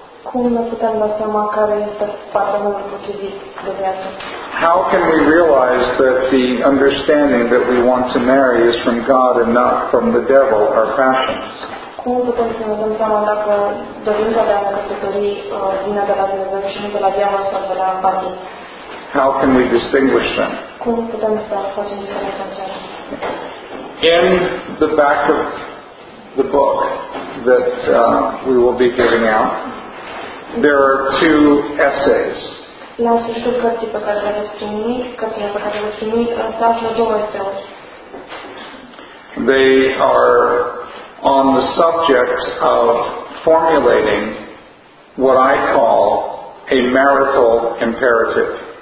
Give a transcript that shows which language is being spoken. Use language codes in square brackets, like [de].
[ro] Cum ne putem da seama care este partenerul potrivit de viață? [en] How can we realize that the understanding that we want to marry is from God and not from the devil, our passions? [ro] Cum putem să ne dăm seama dacă dorința de a ne căsători vine de la Dumnezeu și nu de la diavol sau de la patru? [en] How can we distinguish them? [ro] Cum putem să facem diferența între ele? [en] In the back of the book that we will be giving out, there are two essays. [ro] La sfârșitul cărții pe care le-ați primit, se află două esei. [en] They are on the subject of formulating what I call a marital imperative.